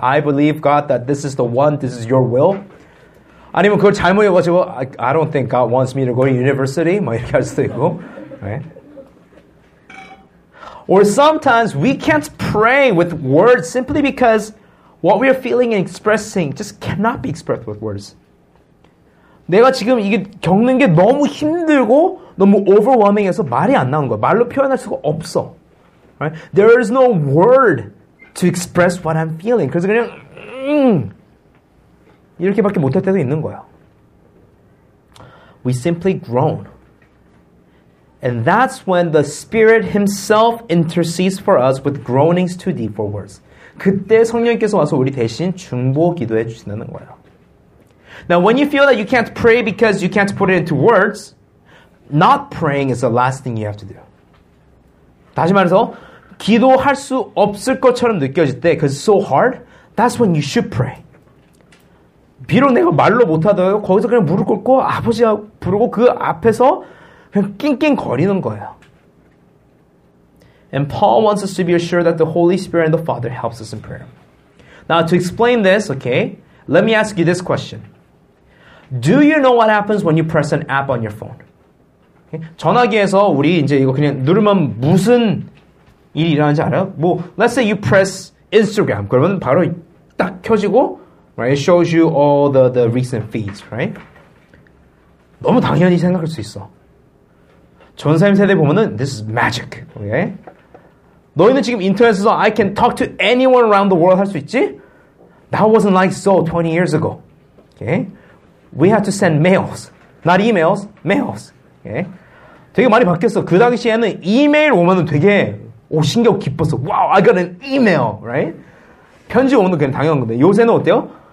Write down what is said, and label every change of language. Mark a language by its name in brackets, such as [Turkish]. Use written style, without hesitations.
[English] I believe, God, that this is the one, this is your will. [Korean] 아니면 그걸 잘못 읽어가지고 [English] I don't think God wants me to go to university [Korean] 뭐 이렇게 할 수도 있고 [English] Or sometimes we can't pray with words simply because what we are feeling and expressing just cannot be expressed with words. [Korean] 내가 지금 이게 겪는 게 너무 힘들고 너무 overwhelming해서 말이 안 나오는 거야. 말로 표현할 수가 없어. Right? [English] There is no word to express what I'm feeling. [Korean] 그래서 그냥 이렇게밖에 못할 때도 있는 거야. [English] We simply groan. And that's when the Spirit Himself intercedes for us with groanings too deep for words. [Korean] 그때 성령께서 와서 우리 대신 중보 기도해 주신다는 거예요. [English] Now, when you feel that you can't pray because you can't put it into words, not praying is the last thing you have to do. [Korean] 다시 말해서, 기도할 수 없을 것처럼 느껴질 때, [English] because it's so hard, that's when you should pray. [Korean] 비록 내가 말로 못하더라도 거기서 그냥 무릎 꿇고 아버지 부르고 그 앞에서 그냥 낑낑거리는 거예요. [English] And Paul wants us to be assured that the Holy Spirit and the Father helps us in prayer. Now to explain this, okay, let me ask you this question. Do you know what happens when you press an app on your phone? Okay? [Korean] 전화기에서 우리 이제 이거 그냥 누르면 무슨 일이 일어나는지 알아요? [English] 뭐, let's say you press Instagram. [Korean] 그러면 바로 딱 켜지고 [English] Right, it shows you all the recent feeds, right? [Korean] 너무 당연히 생각할 수 있어. 전사님 세대 보면은 [English] this is magic, okay? [Korean] 너희는 지금 인터넷에서 [English] I can talk to anyone around the world [Korean] 할 수 있지? [English] That wasn't like so 20 years ago, okay? We had to send mails, not emails, mails, okay? [Korean] 되게 많이 바뀌었어. 그 당시에는 이메일 오면은 되게 오 신기하고 기뻤어. [English] Wow, I got an email, right? [Korean] 편지 오면 그냥 당연한 건데 요새는 어때요?